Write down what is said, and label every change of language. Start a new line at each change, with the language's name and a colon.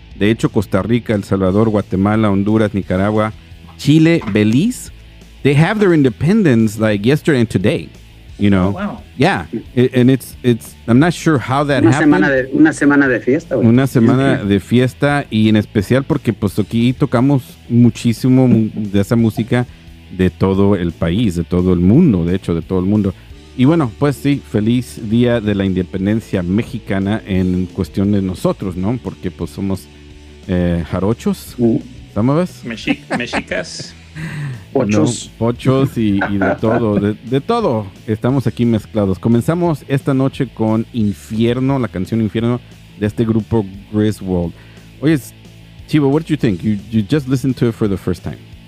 Spanish: De hecho,
English: Costa Rica, El Salvador, Guatemala, Honduras, Nicaragua, Chile, Belize, they have their independence like yesterday and today, you know? Oh, wow. Yeah, and it's I'm not sure how that
Spanish: una
English: happened.
Spanish: Una semana de fiesta. Una semana de fiesta, y en especial porque pues aquí tocamos muchísimo de esa música de todo el país, de todo el mundo, de hecho, de todo el mundo. Y bueno, pues sí, feliz Día de la Independencia Mexicana en cuestión de nosotros, ¿no? Porque pues somos jarochos, ¿sabes? Mexicas. Pochos. No, pochos y de todo, de todo. Estamos aquí mezclados. Comenzamos esta noche con Infierno, la canción Infierno de este grupo Griswold.
English: Oye, Chivo, what do you think? You just listened to it for the first time.